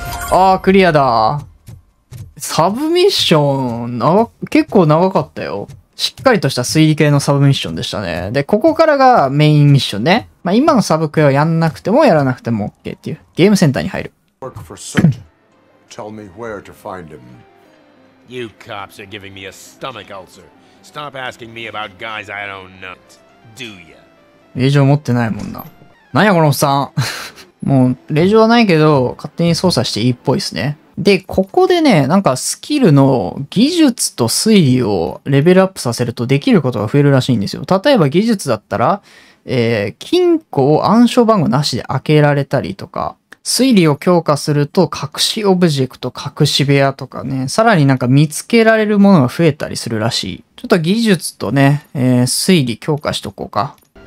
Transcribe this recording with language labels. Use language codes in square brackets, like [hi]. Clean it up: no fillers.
[ja] ああ、クリアだ。サブミッション、結構長かったよ。しっかりとした推理系のサブミッションでしたね。で、ここからがメインミッションね。まあ、今のサブクエはやんなくてもやらなくても OK っていう。ゲームセンターに入る。 [en] Tell me where to find him. You cops are giving me a stomach ulcer. Stop asking me about guys I don't know, do ya? [ja] 令状持ってないもんな。なんやこのおっさん。もう令状はないけど、勝手に操作していいっぽいっすね。で、ここでね、なんかスキルの技術と推理をレベルアップさせるとできることが増えるらしいんですよ。例えば技術だったら、金庫を暗証番号なしで開けられたりとか、推理を強化すると隠しオブジェクト、隠し部屋とかね、さらになんか見つけられるものが増えたりするらしい。ちょっと技術とね、推理強化しとこうか。